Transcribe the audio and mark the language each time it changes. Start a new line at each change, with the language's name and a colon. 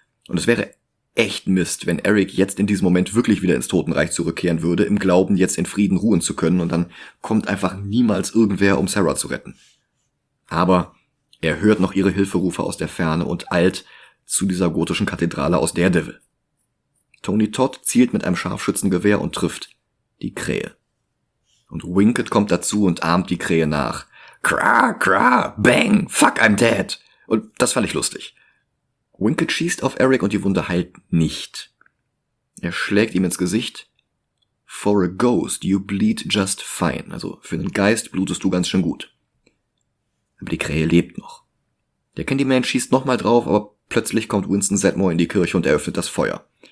German: Und es wäre echt Mist, wenn Eric jetzt in diesem Moment wirklich wieder ins Totenreich zurückkehren würde, im Glauben, jetzt in Frieden ruhen zu können, und dann kommt einfach niemals irgendwer, um Sarah zu retten. Aber Er hört noch ihre Hilferufe aus der Ferne und eilt zu dieser gotischen Kathedrale aus Daredevil. Tony Todd zielt mit einem Scharfschützengewehr und trifft die Krähe. Und Winkett kommt dazu und ahmt die Krähe nach.
English: Kra, kra, bang, fuck, I'm dead.
German: Und das fand ich lustig. Winkett schießt auf Eric und die Wunde heilt nicht. Er schlägt ihm ins Gesicht.
English: For a ghost, you bleed just fine.
German: Also für einen Geist blutest du ganz schön gut. Aber die Krähe lebt noch. Der Candyman schießt nochmal drauf, aber plötzlich kommt Winston Zeddemore in die Kirche und eröffnet das Feuer.